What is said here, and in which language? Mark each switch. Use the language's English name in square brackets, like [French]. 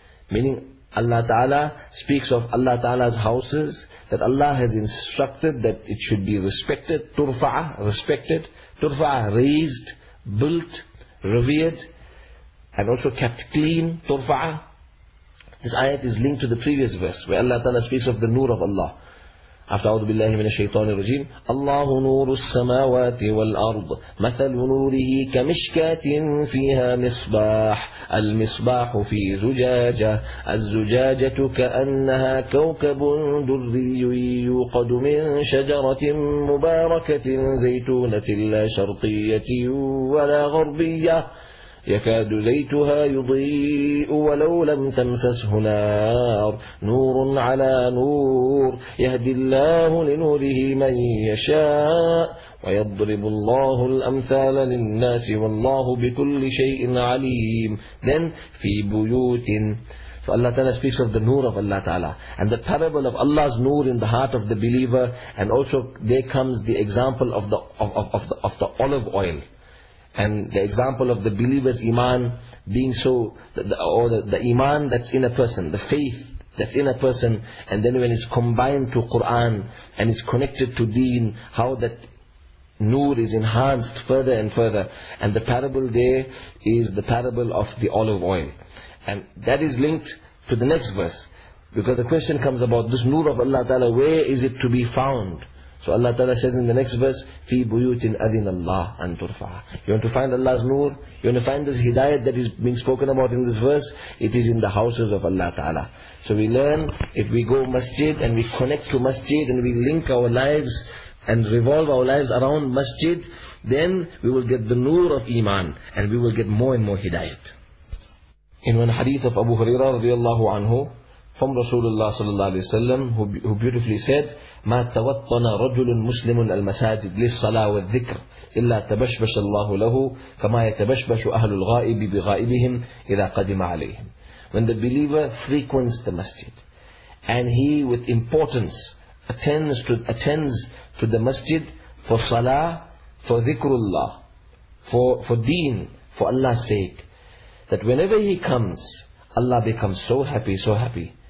[English] Meaning Allah Ta'ala speaks of Allah Ta'ala's houses that Allah has instructed that it should be respected, turfa'a, respected, turfa'a, raised, built, revered, and also kept clean, turfa'a. This ayat is linked to the previous verse where Allah Ta'ala speaks of the nur of Allah. After [Arabic] أعوذ بالله من الشيطان الرجيم الله نور السماوات والأرض مثل نوره كمشكاة فيها مصباح المصباح في زجاجة الزجاجة كأنها كوكب دري يوقد من شجرة مباركة زيتونة لا شرقية ولا غربية يكاد ليتها يضيء ولو لم تمسسه نار نور على نور يهدي الله لنوره من يشاء ويضرب الله الأمثال للناس والله بكل شيء عليم. [English] Then [Arabic] في بيوت. [English] So Allah Ta'ala speaks of the nur of Allah Ta'ala and the parable of Allah's nur in the heart of the believer, and also there comes the example of the olive oil and the example of the believer's iman being so, the iman that's in a person, the faith that's in a person, and then when it's combined to Quran and it's connected to deen, how that nur is enhanced further and further. And the parable there is the parable of the olive oil. And that is linked to the next verse, because the question comes about this nur of Allah Ta'ala, where is it to be found? So Allah Ta'ala says in the next verse, [Arabic] fi buyutin adina Allah an turfa. [English] You want to find Allah's nur? You want to find this hidayat that is being spoken about in this verse? It is in the houses of Allah Ta'ala. So we learn, if we go masjid and we connect to masjid and we link our lives and revolve our lives around masjid, then we will get the nur of iman and we will get more and more hidayat. In one hadith of Abu Huraira radiallahu anhu from Rasulullah sallallahu alayhi wa sallam, who beautifully said, [Arabic] مَا تَوَطَّنَ رَجُلٌ مُسْلِمٌ الْمَسَاجِدِ لِلصَّلَاةِ وَالذِّكْرِ إِلَّا تَبَشْبَشَ اللَّهُ لَهُ كَمَا يَتَبَشْبَشُ أَهْلُ الْغَائِبِ بِغَائِبِهِمْ إِذَا قَدِمَ عَلَيْهِمْ. [English] When the believer frequents the masjid and he with importance attends to the masjid for salah, for dhikrullah, for deen, for Allah's sake, that whenever he comes, Allah becomes so happy, so happy.